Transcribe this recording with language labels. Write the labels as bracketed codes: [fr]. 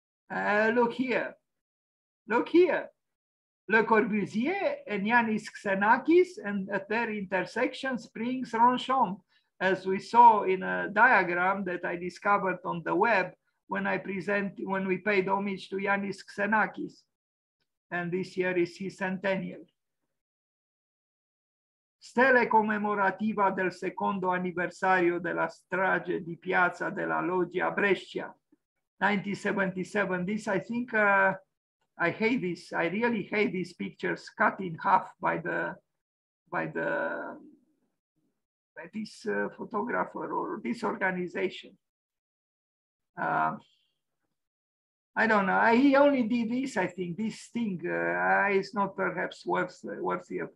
[en] Look here. Le Corbusier and Yanis Xenakis, and at their intersection springs Ronchamp, as we saw in a diagram that I discovered on the web when we paid homage to Yanis Xenakis. And this year is his centennial. [it] Stele commemorativa del secondo anniversario della strage di Piazza della Loggia Brescia, 1977. [en] This, I think, I hate this. I really hate these pictures cut in half by this photographer or this organization. I don't know. He only did this, I think. This thing is not perhaps worthy of.